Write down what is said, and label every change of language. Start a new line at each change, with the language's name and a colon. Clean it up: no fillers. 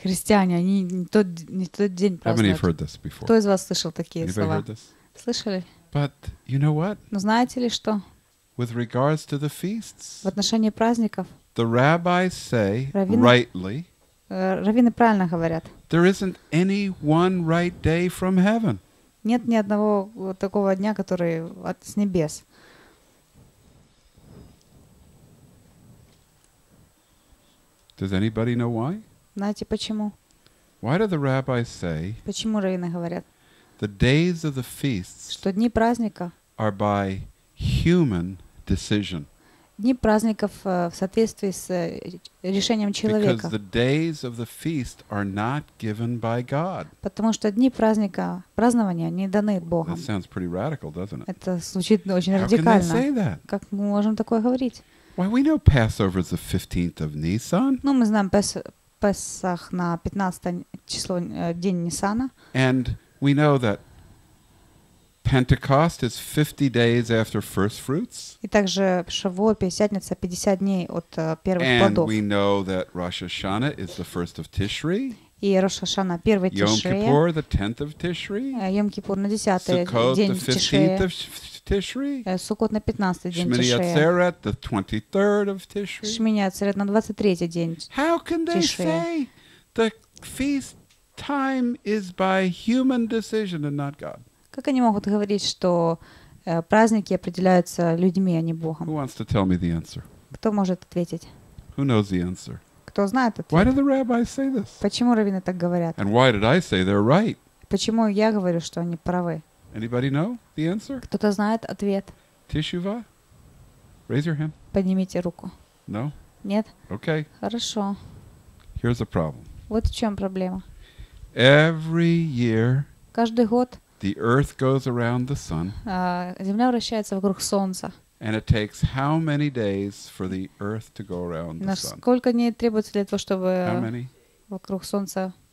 Russian: Христиане, они не тот день празднуют.
English: How many have heard this before?
Russian: Кто из вас слышал такие
English: Anybody
Russian: слова?
English: Heard this?
Russian: Слышали?
English: But you know what?
Russian: Но знаете ли что?
English: With regards to the feasts.
Russian: В отношении праздников.
English: The rabbis say rightly.
Russian: Раввины правильно говорят.
English: There isn't any one right day from heaven.
Russian: Нет ни одного такого дня, который с небес.
English: Does anybody know why?
Russian: Знаете почему?
English: Why do the rabbis say?
Russian: Почему раввины говорят?
English: The days of the feasts.
Russian: Что дни праздника?
English: Are by human decision.
Russian: Дни праздников в соответствии с решением человека.
English: Because the days of the feast are not given by God.
Russian: Потому что дни праздника, празднования не даны Богом.
English: That sounds pretty radical, doesn't it?
Russian: Это звучит очень радикально.
English: How can they say that?
Russian: Как мы можем такое говорить?
English: Why we know Passover is the 15th of Nisan?
Russian: Ну мы знаем Песах на 15 число день Нисана.
English: And we know that Pentecost is 50 days after first fruits.
Russian: И также Шавуот, Пятидесятница, 50 дней от первых плодов.
English: And we know that Rosh Hashanah is the first of Tishri.
Russian: И Рош Хашана первый Тишрей.
English: Йом Кипур the 10th of Tishri.
Russian: Йом Кипур на 10-й день Тишрей.
English: Sukkot the 15th of Tishri.
Russian: Суккот на 15-й день Тишрей.
English: Shmini Atzeret the 23rd of Tishri.
Russian: Шмини Ацерет на 23-й день Тишрей.
English: How can they say the feast time is by human decision and not God?
Russian: Как они могут говорить, что праздники определяются людьми, а не Богом?
English: Who wants to tell me the answer?
Russian: Кто может ответить?
English: Who knows the answer?
Russian: Кто знает ответ?
English: Why do the rabbis say this?
Russian: Почему раввины так говорят?
English: And why did I say they're right?
Russian: Почему я говорю, что они правы?
English: Anybody know the answer?
Russian: Кто-то знает ответ?
English: Тишува? Raise your hand.
Russian: Поднимите руку.
English: No?
Russian: Нет?
English: Okay.
Russian: Хорошо.
English: Here's a problem.
Russian: Вот в чем проблема.
English: Every year.
Russian: Каждый год.
English: The earth goes around the sun.
Russian: Земля вращается вокруг солнца.
English: And it takes how many days for the earth to go around the sun?
Russian: Насколько дней требуется для того, чтобы вокруг солнца?